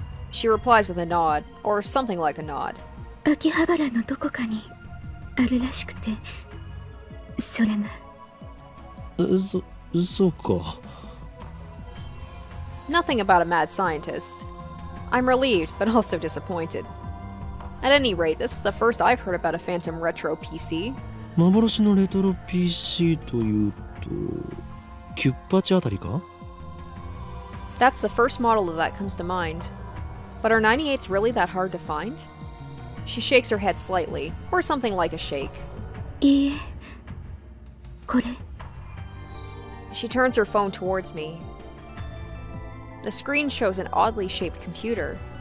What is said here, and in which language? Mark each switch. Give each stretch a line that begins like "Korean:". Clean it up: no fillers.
English: She replies with a nod, or something like a nod.
Japanese: 秋葉原のどこかにあるらしくてショレム。そうか。
English: Nothing about a mad scientist. I'm relieved, but also disappointed. At any rate, this is the first I've heard about a phantom retro PC.
Japanese: 幻のレトロ PC というと、キュッパチあたりか?
English: That's the first model of that comes to mind. But are 98s really that hard to find? She shakes her head slightly, or something like a shake.
Japanese: いいえ、これ。
English: She turns her phone towards me. The screen shows an oddly shaped computer.